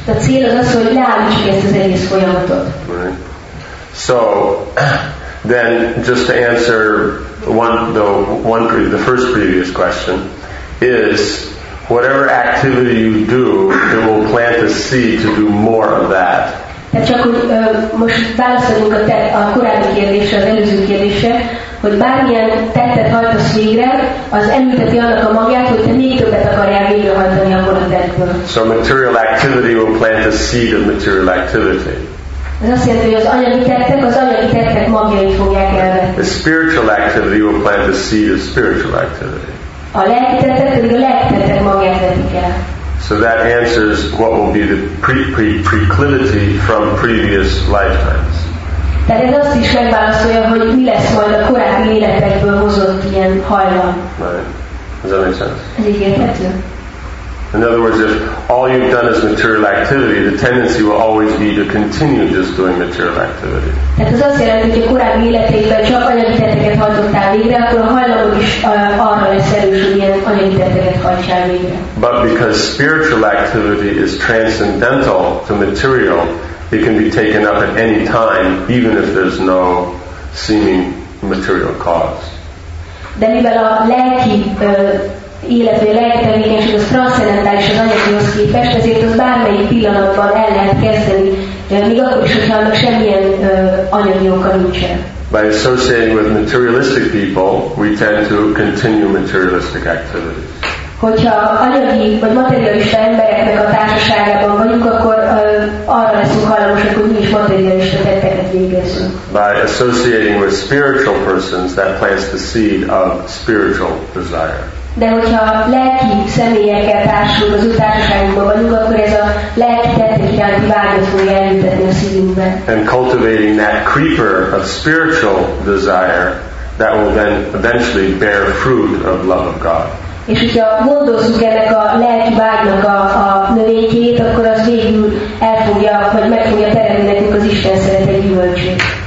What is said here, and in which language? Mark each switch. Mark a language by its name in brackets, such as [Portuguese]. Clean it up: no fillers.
[English] The goal is to So then, just to answer the first previous question, is whatever activity you do, it will plant a seed to do more of that. [Hungarian] Tehát csak hogy most válaszolunk a korábbi kérdésre, az előző kérdésre, hogy bármilyen tettet hajtasz végre, az elülteti annak a magját, hogy te még többet akarjál végrehajtani abból a tettből. [English] So material activity will plant a seed of material activity. [Hungarian] Ez azt jelenti, hogy az anyagi tettek magjait fogják elvetni. [English] The spiritual activity will plant a seed of spiritual activity. [Hungarian] A lelki tettek pedig a lelki tettek magját vetik el. [English] So that answers what will be the proclivity from previous lifetimes. [Hungarian] Tehát ez azt is megválaszolja, hogy mi lesz majd a korábbi életekből hozott ilyen hajlam. [English] Right. Does that make sense? [Hungarian] Ez érthető. [English] In other words, if all you've done is material activity, the tendency will always be to continue just doing material activity. [Hungarian] Tehát ez azt jelenti, hogy a korábbi életekben csak anyagi tetteket hajtottál végre, akkor a hajlamod is arra lesz erős, hogy ilyen anyagi tetteket hajtsál végre. [English] But because spiritual activity is transcendental to material, it can be taken up at any time, even if there's no seeming material cause. [Hungarian] De mivel a lelki életvé, lelki tevékenység az transzcendentális az anyagihoz képest, ezért az bármelyik pillanatban el lehet kezdeni, még akkor is, hogyha annak semmilyen anyagi oka nincsen. [English] By associating with materialistic people, we tend to continue materialistic activities. [Hungarian] Hogyha anyagi vagy materialista embereknek a társaságában vagyunk, akkor arra leszünk hajlamosak, hogy mi is materialista tetteket végezzünk. [English] By associating with spiritual persons, that plants the seed of spiritual desire. [Hungarian] De hogyha lelki személyekkel társulunk, az ő társaságunkban vagyunk, akkor ez a lelki tettek iránti vágyat fogja elültetni a szívünkbe. [English] And cultivating that creeper of spiritual desire, that will then eventually bear fruit of love of God. [Hungarian] És hogyha gondolszunk ennek a lelki vágynak a növényét, akkor az végül elfogja, vagy meg fogja teremni nekünk az Isten szeretet gyümölcsét.